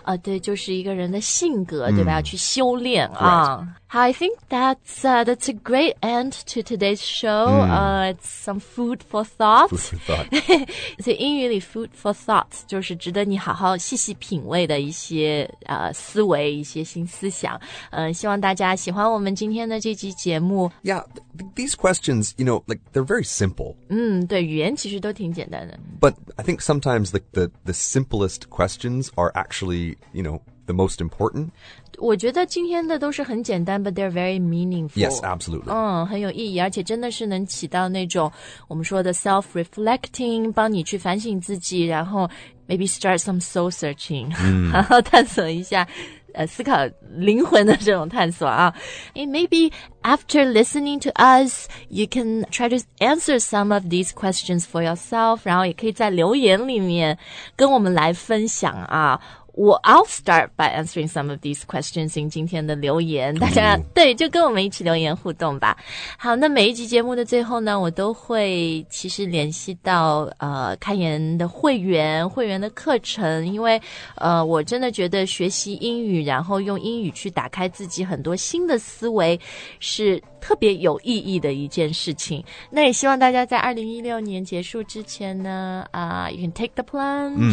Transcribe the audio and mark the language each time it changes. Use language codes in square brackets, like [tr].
[zh] 对就是一个人的性格对吧要去修炼啊。 [en] Right. I think that's a great end to today's show.、It's some food for thought. Food for thought. [zh] So 英语里 food for thought 就是值得你好好细细品味的一些、思维一些新思想、希望大家喜欢我们今天的这期节目。 [en] Yeah, these questions, you know, like, they're very simple. [zh] 对语言其实都挺简单的。 [en] But I think sometimes the simplest questions are actually, you know,the most important. [zh] 我觉得今天的都是很简单 [en] but they're very meaningful. Yes, absolutely. [zh] 很有意义而且真的是能起到那种我们说的 self-reflecting, 帮你去反省自己然后 [en] maybe start some soul-searching,、 [zh] 然后探索一下、思考灵魂的这种探索啊。 [en] Maybe after listening to us, you can try to answer some of these questions for yourself, [zh] 然后也可以在留言里面跟我们来分享啊。 [en] I'll start by answering some of these questions in [zh] 今天的留言大家、对就跟我们一起留言互动吧好那每一集节目的最后呢我都会其实联系到开言的会员的课程因为我真的觉得学习英语然后用英语去打开自己很多新的思维是特别有意义的一件事情那也希望大家在2016年结束之前呢 [en] you can take the plunge、